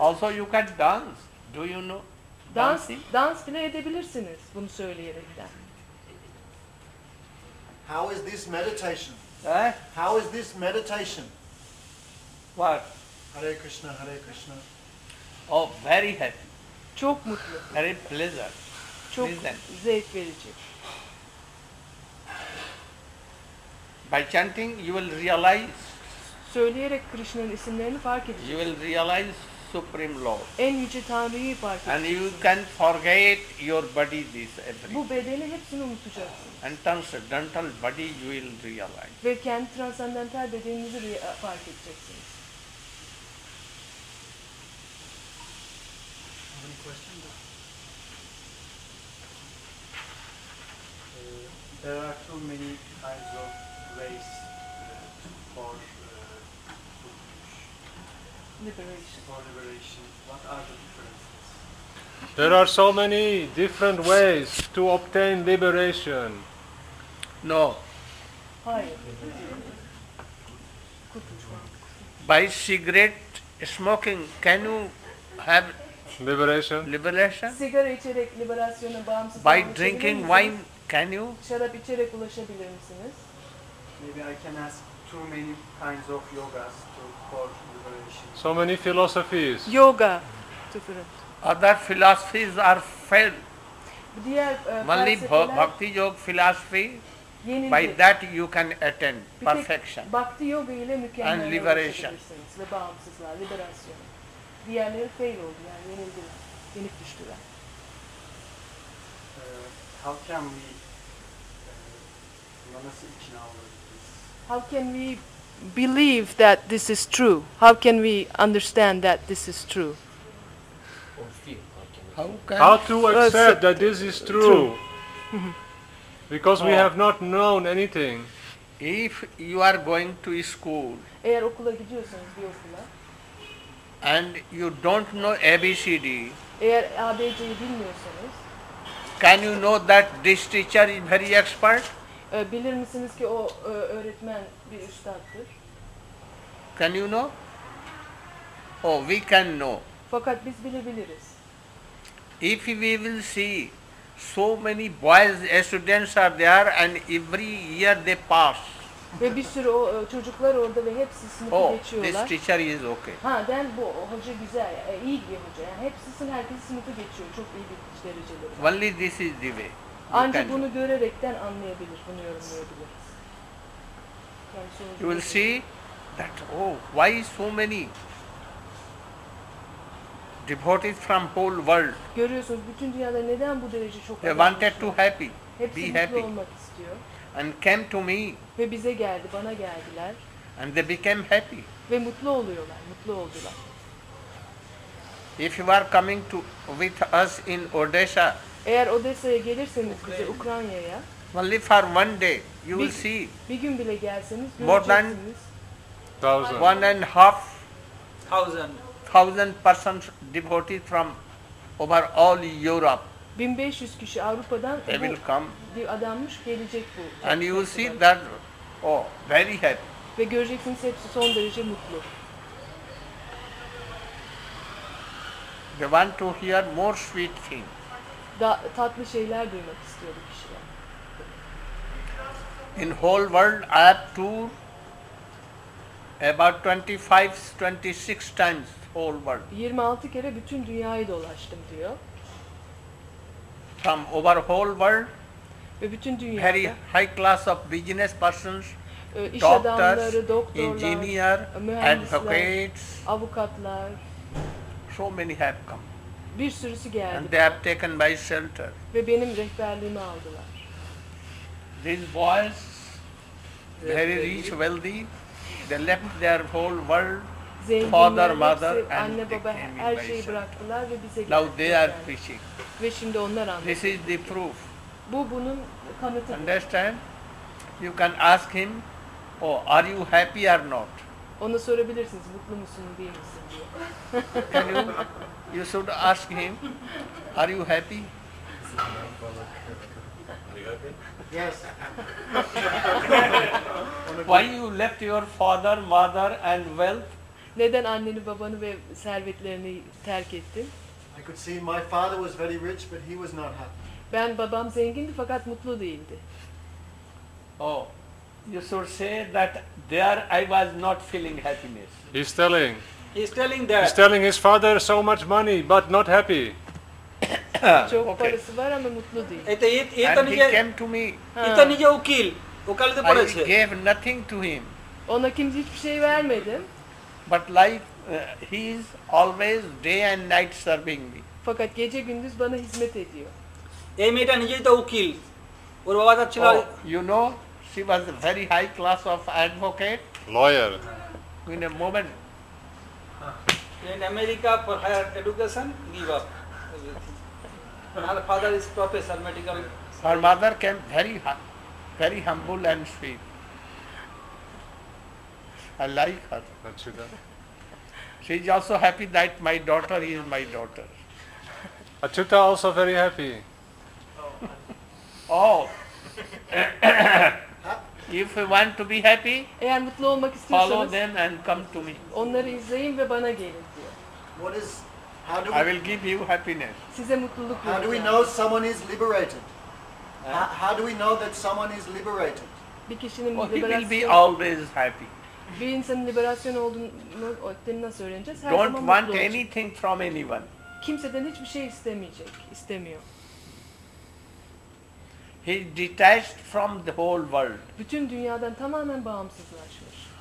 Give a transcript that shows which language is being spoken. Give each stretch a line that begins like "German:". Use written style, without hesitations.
English: Also you can dance, do you know?
Turkish: Dans bile edebilirsiniz bunu söyleyerekten.
English: How is this meditation? Eh? How is this meditation? What? Hare Krishna, Hare Krishna. Oh, very happy.
Turkish: Çok mutlu.
English: Very pleasant.
Turkish: Çok
English: listen.
Turkish: Zevk verici.
English: By chanting, you will realize.
Turkish: Söyleyerek Krishna'nın isimlerini fark edeceksin.
English: You will realize Supreme Lord.
Turkish: En yüce Tanrı'yı fark edeceksin.
English: And you can forget your body this everything.
Turkish: Bu bedeni hepsini unutacaksın.
English: And transcendental body you will realize.
Turkish: Ve kendi transcendental bedeninizi fark edeceksiniz.
English: Any questions? There are too many kinds of ways for liberation. For liberation. What are the differences? There are so many different ways to obtain liberation. No. By cigarette smoking, can you have liberation? Liberation.
Turkish: Sigara içerek liberasyona bağımsız.
English: By drinking wine, can you?
Turkish: Şarap içerek ulaşabilir misiniz?
English: Maybe I can ask too many kinds of yogas to for liberation. So many philosophies. Yoga, different. Other philosophies are failed.
Turkish: Diğer
English: only bhakti yoga philosophy.
Turkish: Yenilgi.
English: By that you can attain perfection.
Turkish: Bhakti yoga ile
English: and liberation.
Turkish: Ve bağımsızlığa, liberasyona. Diğerleri fail oldu yani yenildiler, yenik düştüler.
English: How can we
Turkish: nasıl ikna olabiliriz?
English: How can we believe that this is true? How can we understand that this is true? Or feel, how to accept that this is true? Because we have not known anything. If you are going to school,
Turkish: eğer okula gidiyorsanız bir okula,
English: and you don't know ABCD,
Turkish: eğer ABC'yi bilmiyorsanız,
English: can you know that this teacher is very expert?
Turkish: Bilir misiniz ki o öğretmen bir üstattır?
English: Can you know? Oh, we can know.
Turkish: Fakat biz bilebiliriz.
English: If we will see, so many boys students are there and every year they pass.
Turkish: Ve bir sürü o çocuklar orada ve hepsi sınıfı geçiyorlar.
English: Oh, this teacher is okay.
Turkish: Ha, then bu hoca güzel, iyi bir hoca. Yani herkes sınıfı geçiyor, çok iyi bir dereceleri
English: var. Only this is the way.
Turkish: Ancak bunu görerekten anlayabilir, bunu yorumlayabiliriz.
English: You will see that, oh, why so many devoted from whole world.
Turkish: Görüyorsunuz bütün dünyada neden bu derece çok.
English: They wanted to happy. Be happy.
Turkish: Olmak istiyor.
English: And came to me.
Turkish: Ve bize geldi, bana geldiler.
English: And they became happy.
Turkish: Ve mutlu oluyorlar, mutlu oldular.
English: If you are coming to with us in Odisha.
Turkish: Eğer Odessa'ya gelirseniz bize Ukrayna'ya.
English: Only for one day, you will see.
Turkish: Bir gün bile gelseniz göreceksiniz.
English: One and half thousand persons devotees from over all Europe.
Turkish: 1500 kişi Avrupa'dan
English: they will come.
Turkish: Bir adammış gelecek bu.
English: And you will see that oh very happy.
Turkish: Ve göreceksiniz hepsi son derece mutlu.
English: They want to hear more sweet things.
Turkish: Daha tatlı şeyler duymak istiyor kişiler.
English: In whole world I have toured about 25-26 times whole world.
Turkish: 26 kere bütün dünyayı dolaştım diyor.
English: From over whole world.
Turkish: Ve bütün dünyada.
English: Very high class of business persons.
Turkish: İş adamları, doktorlar, engineer,
English: advocates,
Turkish: avukatlar.
English: So many have come.
Turkish: Bir sürüsü geldi.
English: And they have taken my shelter.
Turkish: Ve benim rehberliğimi aldılar.
English: These boys, very rich, wealthy, they left their whole world,
Turkish: zengin
English: father, mother,
Turkish: anne,
English: and
Turkish: baba,
English: they came
Turkish: her
English: in
Turkish: şeyi bıraktılar ve bize
English: geldiler. Now they are preaching.
Turkish: Ve şimdi onlar anlatıyor.
English: This is the proof.
Turkish: Bu bunun kanıtı.
English: Understand? You can ask him, oh, are you happy or not?
Turkish: Ona sorabilirsiniz, mutlu musun, değil misin diye.
English: Can you? You should ask him, are you happy? Yes. Why you left your father, mother and wealth?
Turkish: Neden anneni, babanı ve servetlerini terk ettin?
English: I could see my father was very rich but he was not happy.
Turkish: Ben babam zengindi fakat mutlu değildi.
English: Oh. You should say that there I was not feeling happiness. He's telling his father so much money but not happy.
Turkish: Çok okay. Parası var ama mutlu değil.
English: And he came to me. Ukil. Ukalde parası. I gave nothing to him.
Turkish: Ona kimse hiçbir şey vermedim.
English: But like he is always day and night serving me.
Turkish: Fakat gece gündüz bana hizmet ediyor. Emeden niye de ukil? Or baba da çıla.
English: You know, she was a very high class of advocate. Lawyer. In a moment. In America for higher education, give up. Her father is professor medical. Her mother came very very humble and sweet. I like her. She is also happy that my daughter is my daughter. Achyuta also very happy. Oh. If you want to be happy,
Turkish: eğer mutlu olmak istiyorsanız,
English: follow them and come to me.
Turkish: Onları izleyin ve bana gelin diyor.
English: What is? How do we? I will give you happiness.
Turkish: Size mutluluk veriyorum.
English: How do we know someone is liberated? How do we know that someone is liberated?
Turkish: Bir kişinin liberasyon.
English: He will be always happy.
Turkish: Bir insanın liberasyon olduğunu öğrenmeyi nasıl öğreneceğiz? Her
English: don't want anything from anyone.
Turkish: Kimseden hiçbir şey istemeyecek, istemiyor.
English: He detached from the whole world.
Turkish: Bütün dünyadan tamamen bağımsızlaşmış.